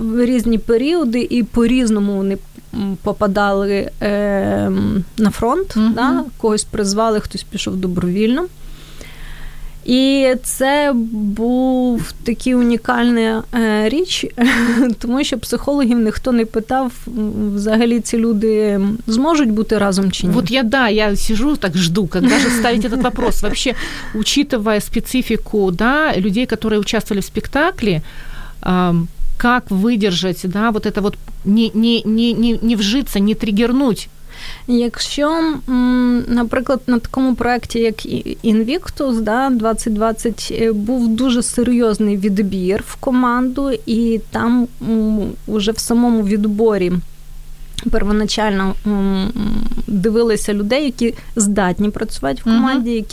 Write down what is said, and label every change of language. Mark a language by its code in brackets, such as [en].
[uk] В різні періоди і по-різному вони попадали на фронт. Угу. Да? Когось призвали, хтось пішов добровільно. І це був такий унікальний річ, тому що психологів ніхто не питав, взагалі ці люди зможуть бути разом чи ні. [ru] Вот я, да, я сижу так жду, когда же ставить этот вопрос. Вообще, учитывая специфику, да, людей, которые участвовали в спектакле, как выдержать, да, вот это вот не вжиться, не триггернуть. [uk] Якщо, наприклад, на такому проєкті, як Invictus, да, 2020, був дуже серйозний відбір в команду, і там уже в самому відборі первоначально дивилися людей, які здатні працювати в команді, угу.